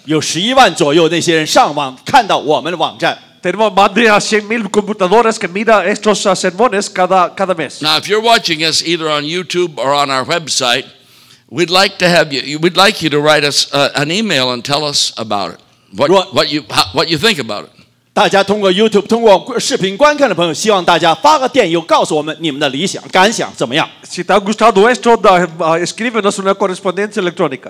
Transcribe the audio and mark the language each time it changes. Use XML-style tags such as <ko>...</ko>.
<zh>有11万左右那些人上网看到我们的网站。</zh> <es>Tenemos más de 100,000 computadores que mira estos sermones cada mes.</es> <en>Now, if you're watching us either on YouTube or on our website, we'd like to have you. We'd like you to write us an email and tell us about it. What you think about it.</en> <zh>大家通过 YouTube 通过视频观看的朋友，希望大家发个电邮告诉我们你们的理想感想怎么样。</zh> <es>Si te ha gustado esto, escríbenos una correspondencia electrónica.</es>